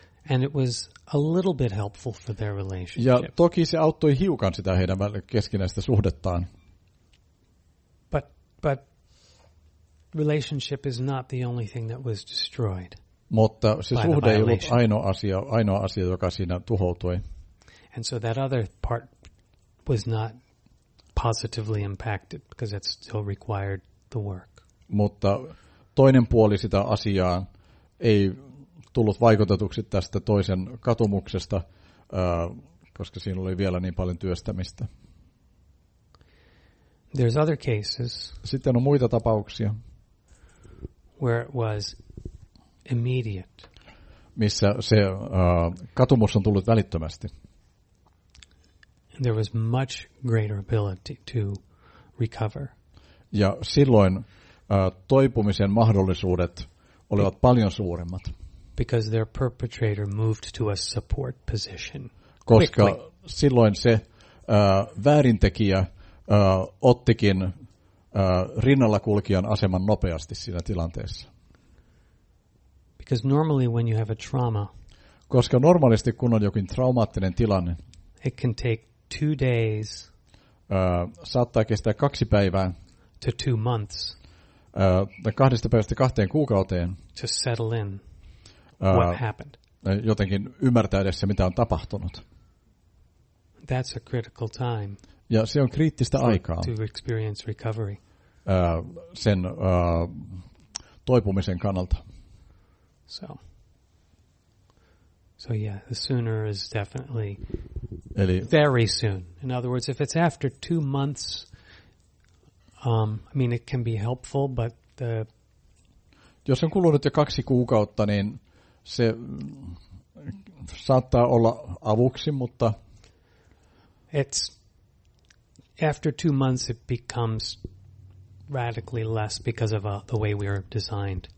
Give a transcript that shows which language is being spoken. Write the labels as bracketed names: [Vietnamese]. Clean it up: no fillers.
[English] And it was a little bit helpful for their relationship. [Finnish] Ja toki se auttoi hiukan sitä heidän keskinäistä suhdettaan. [English] But relationship is not the only thing that was destroyed. [Finnish] Mutta se suhde ei ollut ainoa asia, joka siinä tuhoutui. [English] And so that other part was not positively impacted because it still required the work. [Finnish] Mutta toinen puoli sitä asiaa ei tullut vaikutetuksi tästä toisen katumuksesta, koska siinä oli vielä niin paljon työstämistä. [English] There's other cases. [Finnish] Sitten on muita tapauksia. [English] Where it was immediate. [Finnish] Missä se katumus on tullut välittömästi. [English] And there was much greater ability to recover. [Finnish] Ja silloin toipumisen mahdollisuudet olivat paljon suuremmat. [English] Because their perpetrator moved to a support position. [Finnish] Koska silloin se väärintekijä ottikin rinnalla kulkijan aseman nopeasti siinä tilanteessa. [English] Because normally when you have a trauma, [Finnish] koska normaalisti kun on jokin traumaattinen tilanne, [English] it can take 2 days, [Finnish] saattaa kestää 2 päivää, [English] to 2 months, [Finnish] 2 päivästä 2 kuukauteen, [English] to settle in, what happened. [Finnish] Jotenkin ymmärtää edessä, mitä on tapahtunut. [English] That's a critical time. [Finnish] Ja se on kriittistä aikaa [English] to experience recovery. [Finnish] Sen toipumisen kannalta. [English] So yeah, the sooner is definitely very soon. In other words, if it's after 2 months, I mean it can be helpful, but the [Finnish] jos on kulunut jo 2 kuukautta, niin se saattaa olla avuksi, mutta [English] it's after 2 months it becomes radically less because of the way we are designed.